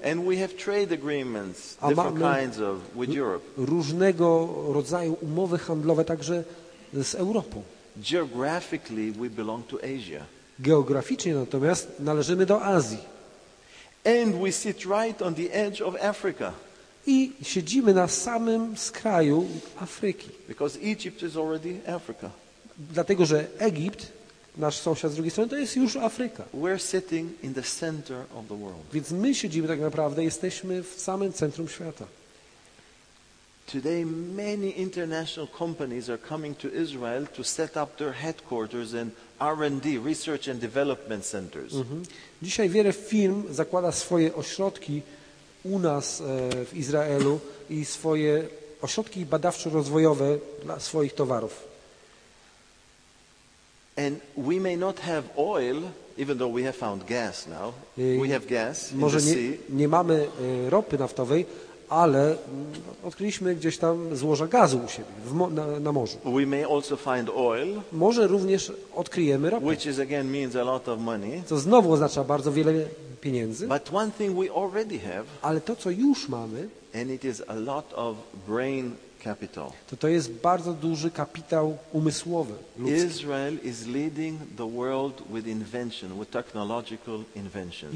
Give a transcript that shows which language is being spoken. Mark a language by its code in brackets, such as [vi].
[en] And we have trade agreements, different kinds of, with Europe. [pl] Różnego rodzaju umowy handlowe także z Europą. [en] Geographically, we belong to Asia. [pl] Geograficznie natomiast należymy do Azji. [en] And we sit right on the edge of Africa. [pl] I siedzimy na samym skraju Afryki. [en] Because Egypt is already Africa. [pl] Dlatego, że Egipt, nasz sąsiad z drugiej strony, to jest już Afryka. [en] We're sitting in the center of the world. [pl] Więc my siedzimy tak naprawdę, jesteśmy w samym centrum świata. [en] Today many international companies are coming to Israel to set up their headquarters and R&D, research and development centers. [pl] Dzisiaj wiele firm zakłada swoje ośrodki u nas w Izraelu i swoje ośrodki badawczo-rozwojowe dla swoich towarów. [en] And we may not have oil, even though we have found gas now. We have gas in [pl] Może [en] the sea. [pl] Nie mamy ropy naftowej, ale odkryliśmy gdzieś tam złoża gazu u siebie na morzu. [en] We may also find oil. [pl] Może również odkryjemy ropę. [en] Which is again means a lot of money. [pl] Co znowu oznacza bardzo wiele pieniędzy. [en] But one thing we already have. [pl] Ale to co już mamy. [en] And it is a lot of brain capital. [pl] To jest bardzo duży kapitał umysłowy ludzki. [en] Israel is leading the world with invention, with technological inventions.